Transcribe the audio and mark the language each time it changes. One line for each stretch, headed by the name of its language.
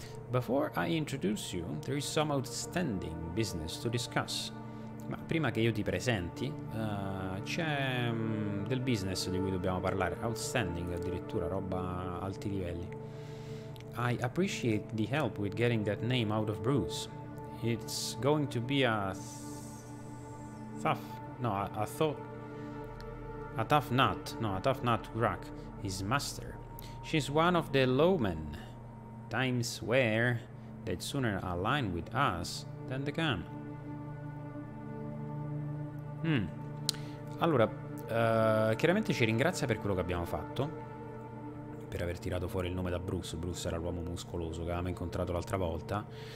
English: Before I introduce you, there is some outstanding business to discuss.
Italian: Ma prima che io ti presenti, c'è del business di cui dobbiamo parlare. Outstanding, addirittura, roba a alti livelli.
English: I appreciate the help with getting that name out of Bruce. It's going to be a tough nut to crack. His master. She's one of the lowmen. Times where they'd sooner align with us than the gun.
Italian: Allora, chiaramente ci ringrazia per quello che abbiamo fatto, per aver tirato fuori il nome da Bruce. Bruce era l'uomo muscoloso che avevamo incontrato l'altra volta.